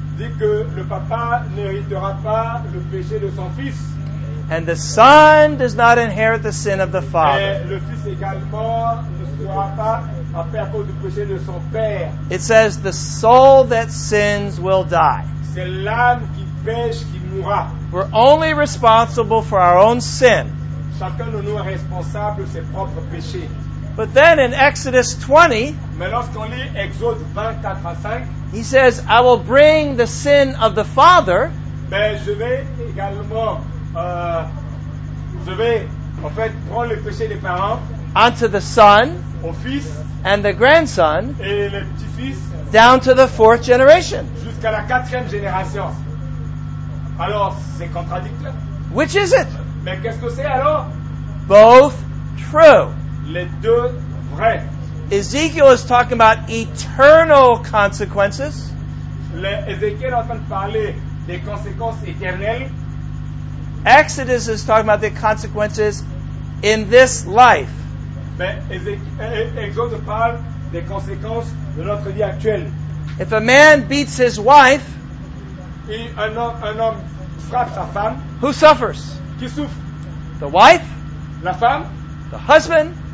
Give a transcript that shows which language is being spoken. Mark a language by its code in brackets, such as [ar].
[fr] Dit que le papa n'héritera pas le péché de son fils. [en] And the son does not inherit the sin of the father. [fr] Et le fils également ne sera pas à perdre du péché de son père. [en] It says the soul that sins will die. [fr] C'est l'âme qui pêche qui mourra. [en] We're only responsible for our own sin. [fr] Chacun de nous est responsable de ses propres péchés. [en] But then in Exodus 20, [fr] mais lorsqu'on lit Exode 24 à 5, [en] he says, I will bring the sin of the father. [fr] Mais je vais également, en fait, prendre le péché des parents. [en] Unto the son. [fr] Au fils. [en] And the grandson. [fr] Et le petit-fils. [en] Down to the fourth generation. [fr] Jusqu'à la quatrième génération. Alors, c'est contradictoire. [en] Which is it? [fr] Mais qu'est-ce que c'est alors? [en] Both true. [fr] Les deux vrais. [en] Ezekiel is talking about eternal consequences. [fr] Ezekiel est en train de parler des conséquences éternelles. [en] Exodus is talking about the consequences in this life. [fr] Mais Exode parle des conséquences de notre vie actuelle. [en] If a man beats his wife, [fr] et un homme frappe sa femme. [en] Who suffers? [fr] Qui souffre? [en] The wife. [fr] La femme. [en] The husband.